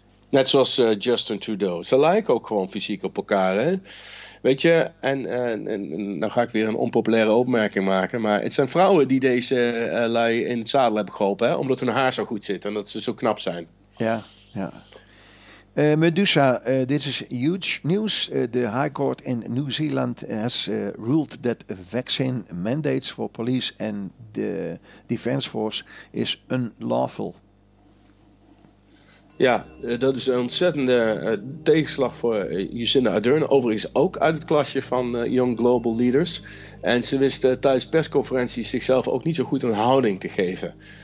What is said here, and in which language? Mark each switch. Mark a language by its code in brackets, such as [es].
[nl] Net zoals Justin Trudeau. Ze lijken ook gewoon fysiek op elkaar. Hè? Weet je, en dan ga ik weer een onpopulaire opmerking maken. Maar het zijn vrouwen die deze lui in het zadel hebben geholpen. Hè? Omdat hun haar zo goed zit en dat ze zo knap zijn. Ja, ja. Medusa, dit is [en] huge news. De High Court in New Zealand has ruled that vaccine mandates for police and the defense force is unlawful. [nl] Ja, dat is een ontzettende tegenslag voor Jacinda Ardern. Overigens ook uit het klasje van Young Global Leaders. En ze wist tijdens persconferenties zichzelf ook niet zo goed een houding te geven.